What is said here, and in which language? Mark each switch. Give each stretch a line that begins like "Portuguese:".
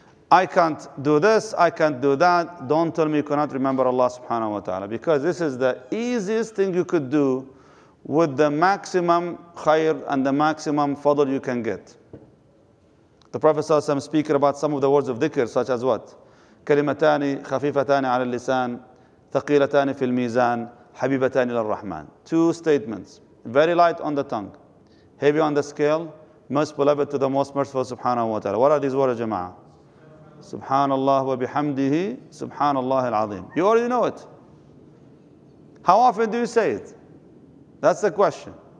English: I can't do this, I can't do that. Don't tell me you cannot remember Allah subhanahu wa ta'ala, because this is the easiest thing you could do with the maximum khair and the maximum fadl you can get. The Prophet sallallahu alayhi wa sallam speaking about some of the words of dhikr, such as what?
Arabic: كلمتان خفيفتان على اللسان ثقيلتان في الميزان حبيبتان للرحمن.
English: Two statements, very light on the tongue, heavy on the scale, most beloved to the most merciful subhanahu wa ta'ala. What are these words, jama'ah?
Arabic: Subhanallah wa bihamdihi, subhanallah al-azim.
English: You already know it. How often do you say it? That's the question.